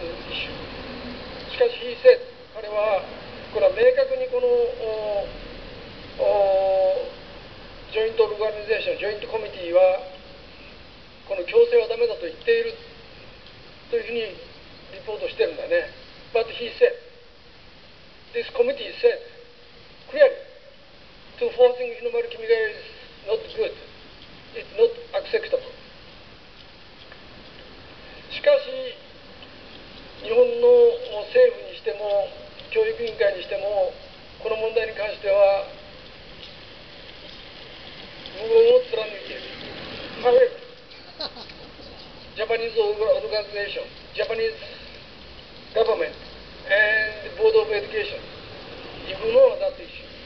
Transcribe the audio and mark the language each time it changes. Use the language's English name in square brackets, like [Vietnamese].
[Japanese] しかし、 [English] he said、 [Japanese] 彼は、これは明確にこの、ジョイントオルガニゼーション、ジョイントコミティは、この強制はダメだと言っているというふうにリポートしてるんだね。 [English] But he said、this committee said、clearly、to forcing Hinomaru Kimigaya is not good, it's not acceptable。 [Japanese] しかし、日本の政府にしても教育委員会にしてもこの問題に関しては無言を貫いている。 [English] However, Japanese organization, Japanese government and Board of Education ignore that issue.